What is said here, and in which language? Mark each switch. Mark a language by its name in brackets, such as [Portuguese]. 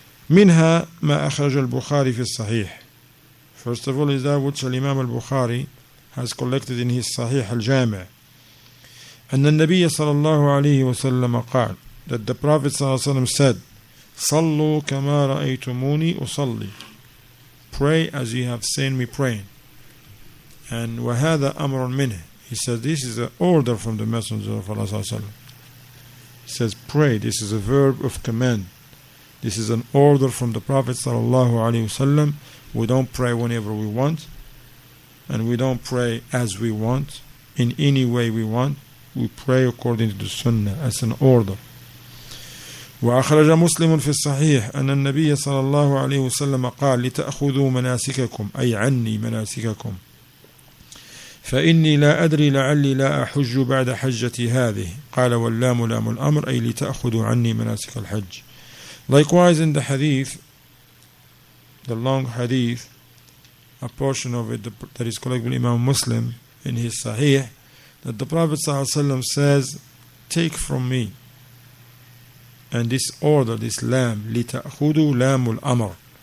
[Arabic] منها ما أخرج البخاري في الصحيح. [English] First of all, is that which Imam al-Bukhari has collected in his Sahih al-Jami'. [Arabic] أن النبي صلى الله عليه وسلم قال, [English] that the Prophet صلى الله عليه وسلم said, [Arabic] صلوا كما رأيتموني أصلي. [English] Pray as you have seen me praying. And [Arabic] وهذا أمر منه. [English] He says, this is an order from the Messenger of Allah صلى الله عليه وسلم. He says, pray. This is a verb of command. This is an order from the Prophet صلى الله عليه وسلم. We don't pray whenever we want. And we don't pray as we want, in any way we want. We pray according to the Sunnah as an order. [Arabic] وأخرج مسلم في الصحيح أن النبي صلى الله عليه وسلم قال لتأخذوا مناسككم أي عني مناسككم فإني لا أدري لعلي لا أحج بعد حجتي هذه. قال واللام لام الأمر أي لتأخذوا عني مناسك الحج. [English] Likewise in the hadith, the long hadith, a portion of it that is collected by Imam Muslim in his Sahih, that the Prophet صلى الله عليه وسلم says, take from me. And this order, this lam, [Arabic] لِتَأْخُدُوا لَامُ الْأَمَرِ.